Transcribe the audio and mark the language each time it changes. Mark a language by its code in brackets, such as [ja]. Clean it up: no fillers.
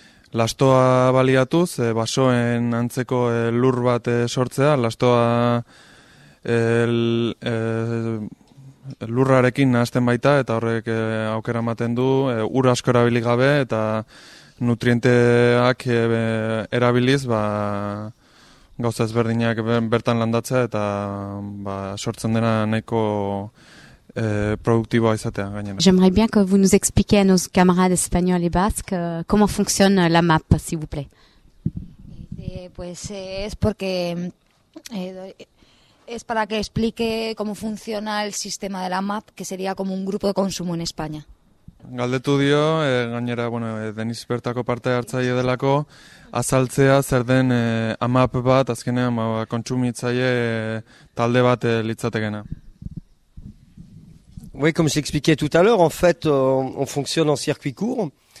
[eu] lastoa baliatuz, basoen antzeko lur bat sortzea, lastoa lurrarekin nahasten baita eta horrek aukera ematen du ur asko erabili gabe eta nutrienteak erabiliz gauza ezberdinak bertan landatzea eta sortzen dena nahiko produktiboa izatea gainera. [fr] J'aimerais bien que vous nous expliquiez à nos camarades espagnols et basques comment fonctionne la MAP, s'il vous plaît. [es] Es para que explique cómo funciona el sistema de la MAP, que sería como un grupo de consumo en España. [eu] Galdetu dio, gainera, bueno, Deniz bertako parte hartzaile delako, azaltzea zer den AMAP bat, azkenean, kontsumitzaile talde bat litzatekena. [fr] Oui, comme j'expliquais tout à l'heure, en fait, on fonctionne en circuit court.